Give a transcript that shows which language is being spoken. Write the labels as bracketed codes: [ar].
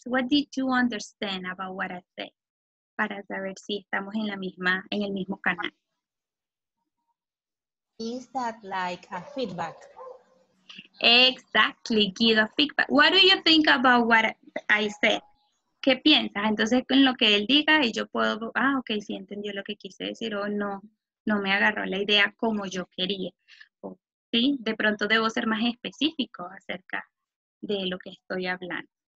[en] What did you understand about what I said? [es] Para saber si estamos en la misma, en el mismo canal. [en] Is that like a feedback? Exactly, give a feedback. What do you think about what I said? [es] ¿qué piensas? Entonces, con lo que él diga, y yo puedo, ah, ok, sí entendió lo que quise decir, o no, no me agarró la idea como yo quería. O, sí, de pronto debo ser más específico acerca de lo que estoy hablando.